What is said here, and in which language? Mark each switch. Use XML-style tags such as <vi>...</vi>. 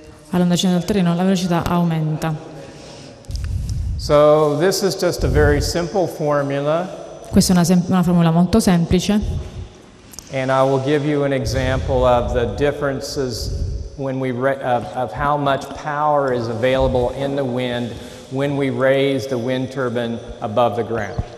<it>All'andamento del terreno, la velocità aumenta.</it> <en>So this is just a very simple formula.</en> <it>Questa è una formula molto semplice.</it> <en>And I will give you an example of the differences when we of how much power is available in the wind when we raise the wind turbine above the ground.</en>